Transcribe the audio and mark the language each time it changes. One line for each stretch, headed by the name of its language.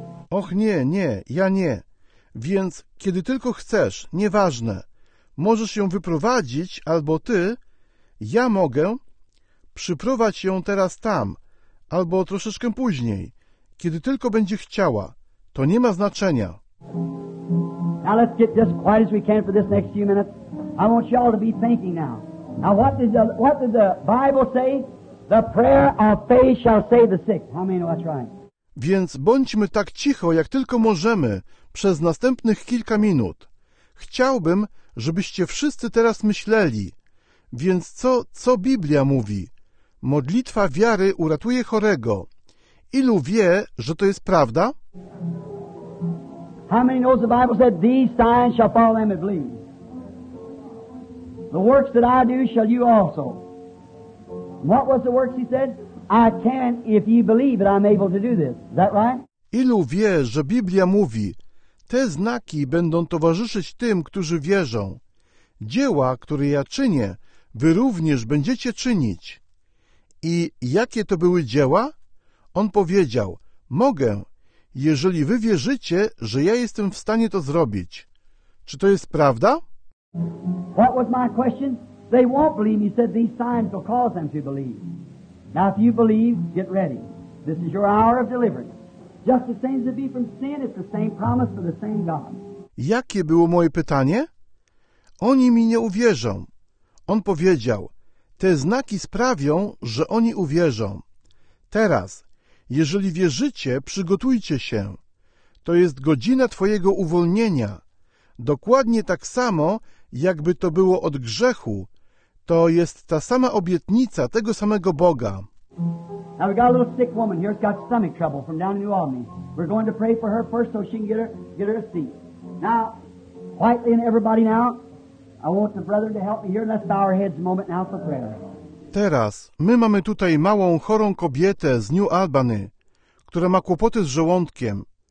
Polish: Och nie, nie, ja nie. Więc kiedy tylko chcesz, nieważne. Możesz ją wyprowadzić, albo ty, ja mogę przyprowadzić ją teraz tam. Albo troszeczkę później, kiedy tylko będzie chciała. To nie ma znaczenia.
English: Now let's get just quiet as we can for this next few minutes. I want you all to be thinking now. Now what did the Bible say? The prayer of faith shall save the sick. How many know that's right?
Polish: Więc bądźmy tak cicho, jak tylko możemy, przez następnych kilka minut. Chciałbym, żebyście wszyscy teraz myśleli. Więc co Biblia mówi? Modlitwa wiary uratuje chorego. Ilu wie, że to jest prawda?
English: How many knows the Bible said these signs shall follow them that believe? The works that I do shall you also. What was the works he said? I can, if ye believe that I'm able to do this. Is that right?
Polish: Ilu wie, że Biblia mówi, te znaki będą towarzyszyć tym, którzy wierzą. Dzieła, które ja czynię, wy również będziecie czynić. I jakie to były dzieła? On powiedział, mogę, jeżeli wy wierzycie, że ja jestem w stanie to zrobić. Czy to jest prawda?
English: What was my question? They won't believe me. He said these signs will cause them to believe. Now if you believe, get ready. This is your hour of deliverance. Just the same as to be from sin, it's the same promise for the same God.
Polish: Jakie było moje pytanie? Oni mi nie uwierzą. On powiedział, te znaki sprawią, że oni uwierzą. Teraz, jeżeli wierzycie, przygotujcie się. To jest godzina twojego uwolnienia. Dokładnie tak samo, jakby to było od grzechu. To jest ta sama obietnica tego samego Boga.
English: Now we got a little sick woman here. She's got stomach trouble from down in New Albany. We're going to pray for her first so she can get her a seat. Now, quietly and everybody now, I want the brother to help me here. Let's bow our heads a moment now for prayer.
Polish: Teraz, my mamy tutaj małą, chorą kobietę z New Albany, która ma kłopoty z żołądkiem.